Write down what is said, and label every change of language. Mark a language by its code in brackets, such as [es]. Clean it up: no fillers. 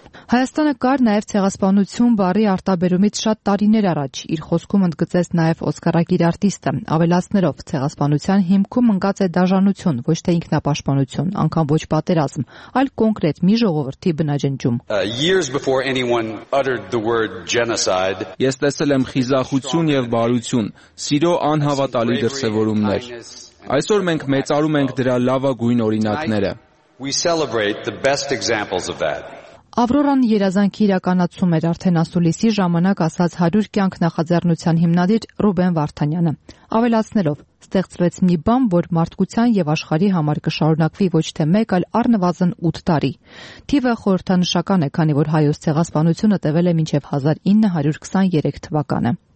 [hy] Հայաստանը կար նաև ցեղասպանություն բարի արտաբերումից շատ տարիներ առաջ, իր խոսքում ընդգծեց նաև Օսկարագիր արտիստը, ավելացնելով. Ցեղասպանության հիմքում ընկած է դաժանություն, ոչ թե ինքնապաշտպանություն, անգամ ոչ պատերազմ, այլ կոնկրետ մի ժողովրդի բնաջնջում. [en] Years before anyone uttered the word genocide. [hy] Ես տեսել եմ խիզախություն եւ բարություն, սիրո անհավատալի դրսեւորումներ. Այսօր մենք մեծարում ենք դրա լավագույն օրինակները. [en] We celebrate the best examples of that. [hy] Ավրորան երազանքի իրականացում էր արդեն ասուլիսի ժամանակ ասած 100 կյանք նախաձեռնության հիմնադիր Ռուբեն Վարդանյանը։ Ավելացնելով, ստեղծվեց մի բան, որ մարդկության և աշխարի համար կշարունակվի ոչ թե մեկ, այլ առնվազն 8 տարի։ Թիվը խորհրդանշական է, քանի որ հայոց ցեղասպանությունը տևել է մինչև 1923 թվականը։